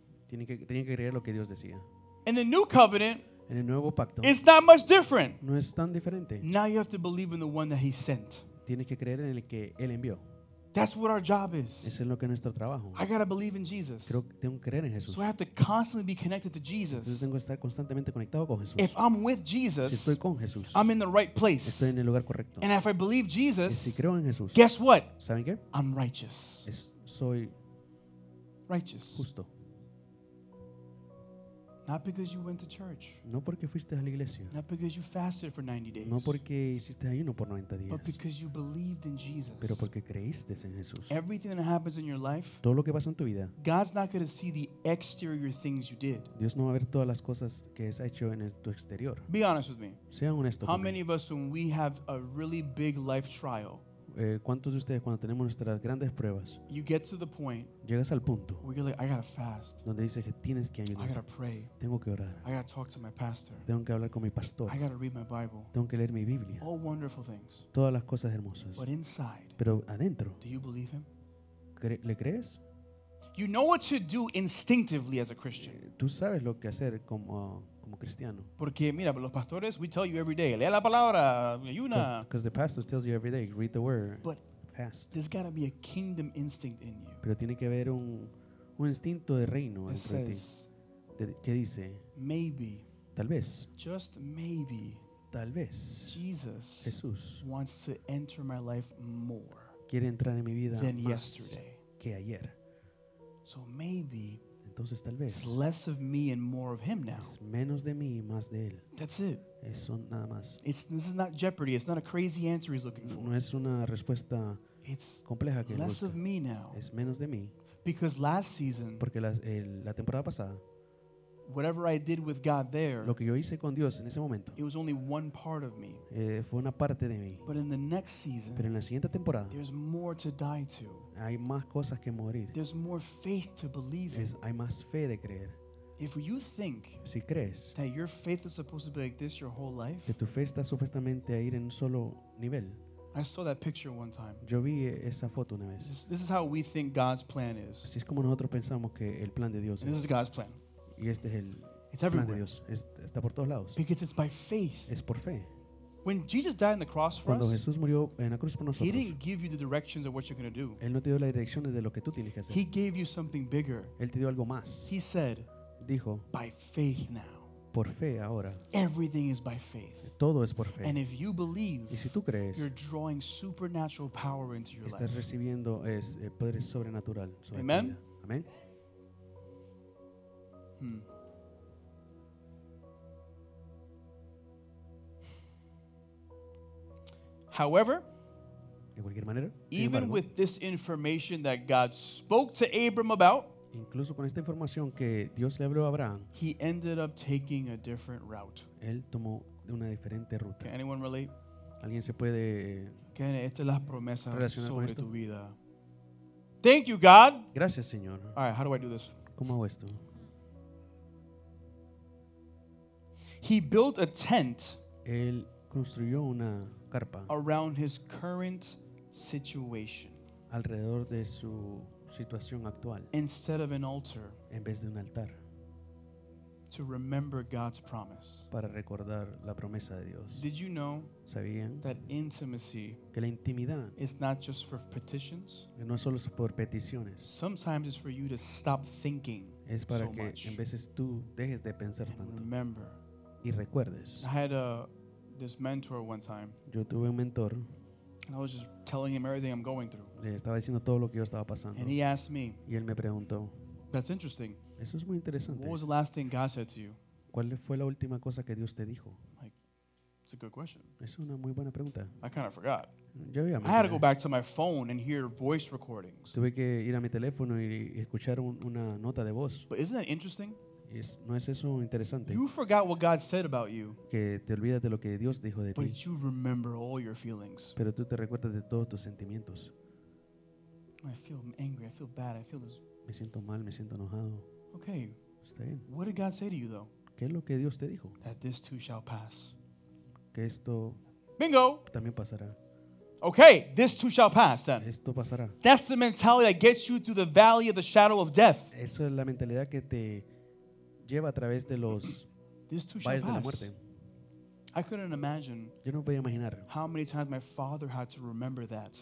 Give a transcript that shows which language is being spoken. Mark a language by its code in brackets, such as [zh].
[es] Tienen que creer lo que Dios decía. [en] In the new covenant, [es] en el nuevo pacto, [en] it's not much different. [es] No es tan diferente. [en] Now you have to believe in the one that he sent. [es] Tienes que creer en el que él envió. [en] That's what our job is. [es] Eso es lo que es nuestro trabajo. [en] I got to believe in Jesus. [es] Tengo que creer en Jesús. [en] So I have to constantly be connected to Jesus. [es] Entonces tengo que estar constantemente conectado con Jesús. [en] If I'm with Jesus, [es] si estoy con Jesús, [en] I'm in the right place. [es] Estoy en el lugar correcto. [en] And if I believe Jesus, [es] y si creo en Jesús, [en] guess what? [es] ¿Saben qué? [en] I'm righteous. [es] Soy [en] righteous. [es] Justo. [en] Not because you went to church. [es] No porque fuiste a la iglesia. [en] Not because you fasted for 90 days. [es] No porque hiciste ayuno por 90 días. [en] But because you believed in Jesus. [es] Pero porque creíste en Jesús. [en] Everything that happens in your life, [es] todo lo que pasa en tu vida, [en] God's not going to see the exterior things you did. [es] Dios no va a ver todas las cosas que has hecho en tu exterior. [en] Be honest with me. [es] Sea honesto. [en] How many of us, when we have a really big life trial, [es] ¿cuántos de ustedes cuando tenemos nuestras grandes pruebas [en] you get to the point [es] llegas al punto [en] where you're like, I gotta fast. [es] Donde dices que tienes que ayunar? [en] I gotta pray. [es] Tengo que orar. [en] I gotta talk to my pastor. [es] Tengo que hablar con mi pastor. [en] I gotta read my Bible. [es] Tengo que leer mi Biblia. [en] All wonderful things. [es] Todas las cosas hermosas. [en] But inside, [es] pero adentro, [en] do you believe him? [es] ¿Le crees? [en] You know what to do instinctively as a Christian. [es] Tú sabes lo que hacer como cristiano. Porque mira, los pastores, [en] we tell you every day, [es] lea la palabra, ayuna. [en] Because the pastor tells you every day, read the word. But fast. There's got to be a kingdom instinct in you. [es] Pero tiene que haber un instinto de reino dentro de ti. ¿Qué dice? [en] Maybe. [es] Tal vez. [en] Just maybe. [es] Tal vez. [en] Jesus. [es] Jesús. [en] Wants to enter my life more. [es] Quiere entrar en mi vida [en] than [es] más [en] yesterday. [es] Que ayer. [en] So maybe, [es] entonces, tal vez, [en] it's less of me and more of him now. [es] Es menos de mí y más de él. [en] That's it. [es] Eso nada más. [en] This is not jeopardy. It's not a crazy answer he's looking for. [es] No es una respuesta [en] it's [es] compleja que [en] less [es] busca. [en] Of me now. [es] Es menos de mí. [en] Because last season, [es] porque la temporada pasada, [en] whatever I did with God there, [es] lo que yo hice con Dios en ese momento, [en] it was only one part of me. [es] Fue una parte de mí. [en] But in the next season, [es] pero en la siguiente temporada, [en] there's more to die to. [es] Hay más cosas que morir. [en] There's more faith to believe in. [es] Hay más fe de creer. [en] If you think [es] si crees [en] that your faith is supposed to be like this your whole life, [es] que tu fe está supuestamente a ir en un solo nivel. [en] I saw that picture one time. [es] Yo vi esa foto una vez. [en] This is how we think God's plan is. [es] Así es como nosotros pensamos que el plan de Dios es. [en] This is God's plan. [es] Y este es el [en] it's everywhere. [es] Plan de Dios. Está por todos lados. [en] Because it's by faith. [es] Es por fe. [en] When Jesus died on the cross for [es] cuando [en] us, [es] Jesús murió en la cruz por nosotros, [en] he didn't give you the directions of what you're going to do. [es] Él no te dio las direcciones de lo que tú tienes que hacer. [en] He gave you something bigger. [es] Él te dio algo más. [en] He said, [es] dijo, [en] by faith now. [es] Por fe ahora. [en] Everything is by faith. [es] Todo es por fe. [en] And if you believe, [es] y si tú crees, [en] you're drawing supernatural power into your [es] estás [en] life. [es] Recibiendo es poder sobrenatural. Sobre [en] amen. [es] Amen. [en] However, [es] de cualquier manera, [en] even [es] embargo, [en] with this information that God spoke to Abram about, [es] incluso con esta información que Dios le habló a Abraham, [en] he ended up taking a different route. [es] Él tomó una diferente ruta. [en] Can anyone relate? [es] ¿Alguien se puede relacionar con esto? Tu vida. [en] Thank you, God. [es] Gracias, Señor. [en] All right, how do I do this? [es] ¿Cómo hago esto? [en] He built a tent. [es] Él construyó una carpa [en] around his current situation. [es] Alrededor de su situación actual. [en] Instead of an altar. [es] En vez de un altar. [en] To remember God's promise. [es] Para recordar la promesa de Dios. [en] Did you know [es] ¿Sabían? [en] That intimacy [es] que la intimidad [en] is not just for petitions? [es] Que no solo es por peticiones. [en] Sometimes it's for you to stop thinking [es] es para [en] so [es] que [en] much. [es] En veces tú dejes de pensar [en] and [es] tanto. [en] Remember. [es] Y recuerdes. [en] I had this mentor one time. [es] Yo tuve un mentor. [en] And I was just telling him everything I'm going through. [es] Le estaba diciendo todo lo que yo estaba pasando. [en] And he asked me. [es] Y él me preguntó. [en] That's interesting. [es] Eso es muy interesante. [en] What was the last thing God said to you? [es] ¿Cuál fue la última cosa que Dios te dijo? [en] Like, it's a good question. [es] Es una muy buena pregunta. [en] I kind of forgot. [es] Yo ya [en] me I had to go back to my phone and hear voice recordings. [es] Tuve que ir a mi teléfono y escuchar una nota de voz. [en] But isn't that interesting? [es] Es, ¿no es eso interesante? [en] You forgot what God said about you. [es] Que te olvidas de lo que Dios dijo de [en] but [es] ti. [en] But you remember all your feelings. [es] Pero tú te recuerdas de todos tus sentimientos. [en] I feel angry. I feel bad. I feel this. [es] Me siento mal, me siento enojado. [en] Okay. [es] Está bien. [en] What did God say to you, though? [es] ¿Qué es lo que Dios te dijo? [en] That this too shall pass. [es] Que esto [en] Bingo. [es] También pasará. [en] Okay, this too shall pass, then. [es] Esto pasará. [en] That's the mentality that gets you through the valley of the shadow of death. [es] Eso es la mentalidad que te lleva a través de los [en] this too [es] valles [en] shall pass. [es] La muerte. [en] I couldn't imagine [es] Yo no podía imaginar [en] how many times my father had to remember that.